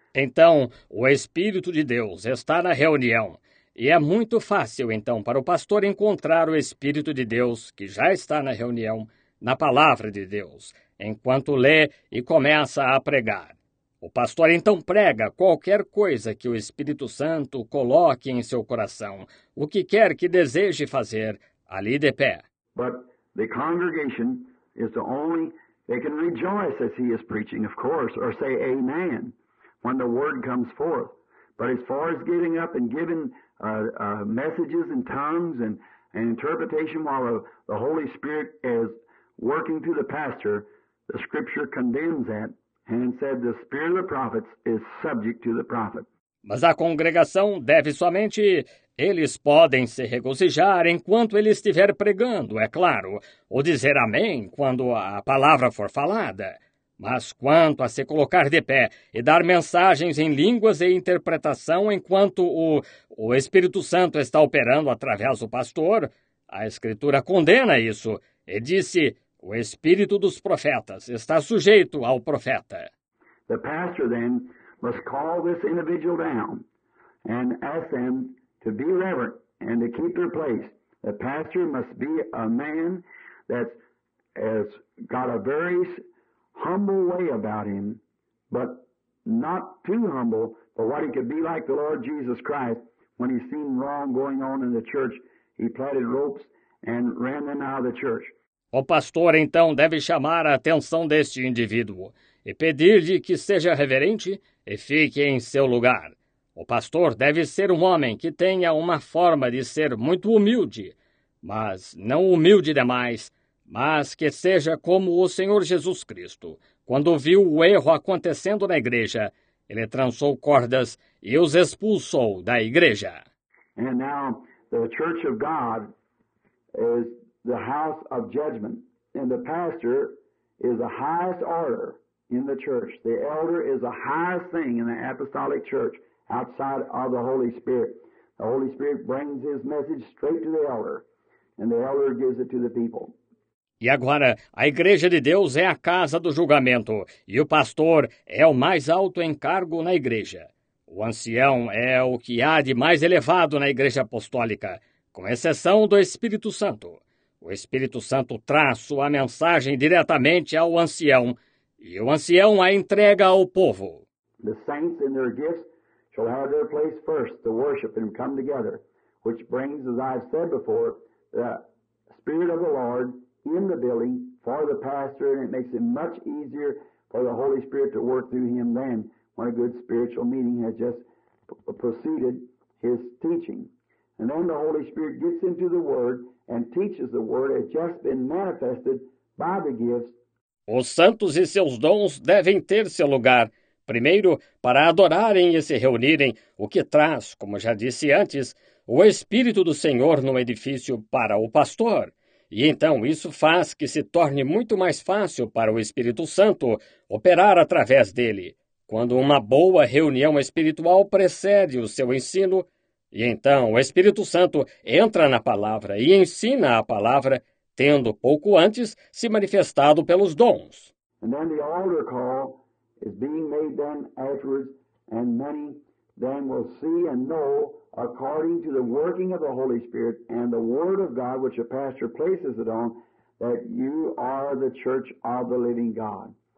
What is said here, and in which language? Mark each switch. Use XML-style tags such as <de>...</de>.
<pt>Então, o Espírito de Deus está na reunião, e é muito fácil, então, para o pastor encontrar o Espírito de Deus, que já está na reunião, na palavra de Deus, enquanto lê e começa a pregar. O pastor então prega qualquer coisa que o Espírito Santo coloque em seu coração, o que quer que deseje fazer, ali de pé.</pt> <en>But the congregation is the only, they can rejoice as he is preaching, of course, or say amen when the word comes forth. But as far as getting up and giving messages and tongues and interpretation while the Holy Spirit is working through the pastor, the scripture condemns that and said the spirit of the prophets is subject to the prophet.</en> <pt>Mas a congregação deve somente, eles podem se regozijar enquanto ele estiver pregando, é claro, ou dizer amém quando a palavra for falada. Mas quanto a se colocar de pé e dar mensagens em línguas e interpretação enquanto o Espírito Santo está operando através do pastor, a Escritura condena isso e disse, o Espírito dos profetas está sujeito ao profeta.</pt> <en>The pastor, then, must call this individual down and ask them to be reverent and to keep their place. The pastor must be a man that has got a very humble way about him, but not too humble for what he could be like the Lord Jesus Christ when he seen wrong going on in the church. He plaited ropes and ran them out of the church.</en> <pt>O pastor, então, deve chamar a atenção deste indivíduo e pedir-lhe que seja reverente e fique em seu lugar. O pastor deve ser um homem que tenha uma forma de ser muito humilde, mas não humilde demais, mas que seja como o Senhor Jesus Cristo. Quando viu o erro acontecendo na igreja, ele trançou cordas e os expulsou da igreja.</pt> <en>And now the Church of God is the house of judgment, and the pastor is the highest order in the church. The elder is the highest thing in the apostolic church outside of the Holy Spirit. The Holy Spirit brings his message straight to the elder, and the elder gives it to the people.</en> <pt>E agora, a Igreja de Deus é a casa do julgamento, e o pastor é o mais alto encargo na igreja. O ancião é o que há de mais elevado na Igreja Apostólica, com exceção do Espírito Santo. O Espírito Santo traz sua mensagem diretamente ao ancião, e o ancião a entrega ao povo.</pt> <en>The saints and their gifts shall have their place first to worship and come together, which brings, as I've said before, the Spirit of the Lord in the building for the pastor, and it makes it much easier for the Holy Spirit to work through him then when a good spiritual meeting has just preceded his teaching. And then the Holy Spirit gets into the Word and teaches the Word as just been manifested by the gifts.</en> <pt>Os santos e seus dons devem ter seu lugar, primeiro para adorarem e se reunirem, o que traz, como já disse antes, o Espírito do Senhor no edifício para o pastor. E então isso faz que se torne muito mais fácil para o Espírito Santo operar através dele, quando uma boa reunião espiritual precede o seu ensino. E então o Espírito Santo entra na palavra e ensina a palavra, tendo pouco antes se manifestado pelos dons.</pt> <en>And then the altar call is being made then afterwards, and many then will see and know according to the working of the Holy Spirit and the word of God which a pastor places it on, that you are the church of the living God.</en>